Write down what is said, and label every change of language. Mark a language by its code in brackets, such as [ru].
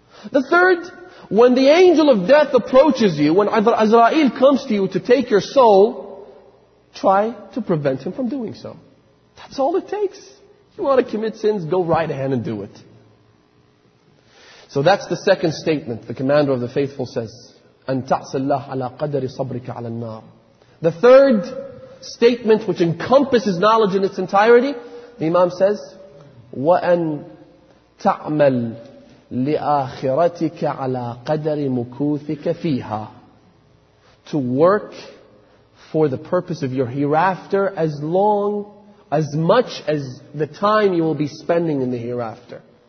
[en] The third, when the angel of death approaches you, when Azrael comes to you to take your soul, try to prevent him from doing so. That's all it takes. You want to commit sins, go right ahead and do it. So that's the second statement. The commander of the faithful says, [ar] أَن تَعْسَ اللَّهَ عَلَىٰ قَدَرِ صَبْرِكَ عَلَىٰ النَّارِ. [en] The third statement, which encompasses knowledge in its entirety, the Imam says, [ar] وَأَن تَعْمَلْ لِآخِرَتِكَ عَلَىٰ قَدَرِ مُكُوثِكَ فِيهَا. [en] To work for the purpose of your hereafter as much as the time you will be spending in the hereafter.